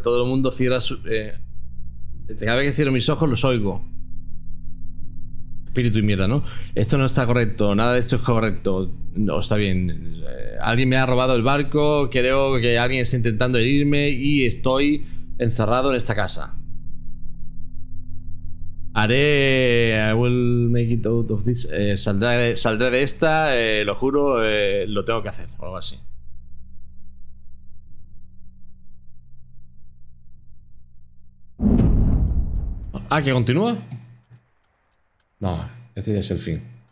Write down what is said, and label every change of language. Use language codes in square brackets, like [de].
[es] Todo el mundo cierra su. Cada vez que cierro mis ojos, los oigo. Espíritu y mierda, ¿no? Esto no está correcto. Nada de esto es correcto. No, está bien. Alguien me ha robado el barco. Creo que alguien está intentando herirme y estoy encerrado en esta casa. [en] I will make it out of this. [es] Saldré de esta, lo juro, lo tengo que hacer, o algo así. Ah, ¿que continúa? No, este ya es el fin.